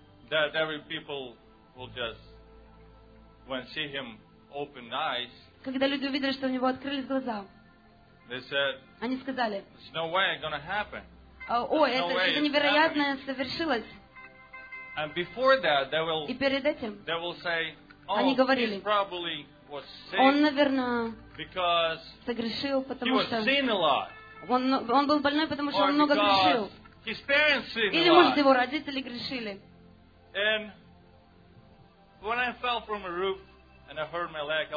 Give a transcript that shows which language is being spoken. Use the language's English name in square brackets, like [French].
[English] that every people will just when see him open eyes. [Russian] Когда люди увидели, что у него открылись глаза, [English] they said, [Russian] они сказали, [English] there's no way it's gonna happen. [Russian] Это невероятное совершилось. [English] And before that, they will. [Russian] И перед этим. [English] They will say, oh, [Russian] они говорили, [English] he probably was sick. [Russian] Он, наверное, [English] because [Russian] согрешил, потому [English] he was sin a lot. [Russian] Он был больной, потому что он много грешил. [English] His parents sin a lot. [Russian] Или может его родители грешили. [English] And when I fell from a roof and I hurt my leg, I